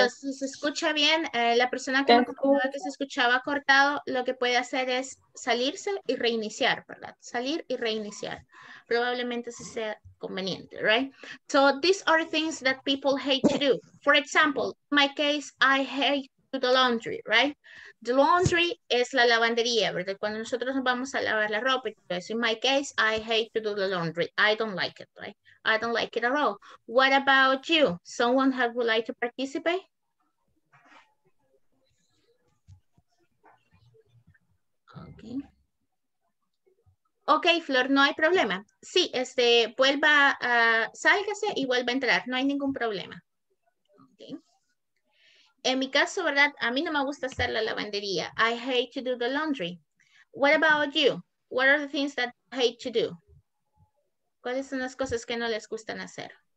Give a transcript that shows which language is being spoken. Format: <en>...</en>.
<es>So, si se escucha bien, la persona que me comentaba que se escuchaba cortado, lo que puede hacer es salirse y reiniciar, ¿verdad? Salir y reiniciar. Probablemente si sea conveniente, right?</es> <en>So, these are things that people hate to do. For example, in my case, I hate to do the laundry, right? The laundry</en> <es>es la lavandería, ¿verdad? Cuando nosotros nos vamos a lavar la ropa, entonces,</es> <en>in my case, I hate to do the laundry. I don't like it, right? I don't like it at all. What about you? Someone who would like to participate?</en> <es>Okay. Okay, Flor, no hay problema. Sí, vuelva, sálgase y vuelva a entrar. No hay ningún problema. Okay. En mi caso, ¿verdad? A mí no me gusta hacer la lavandería.</es> <en>I hate to do the laundry. What about you? What are the things that you hate to do?</en> <es>¿Cuáles son las cosas que no les gustan hacer?</es>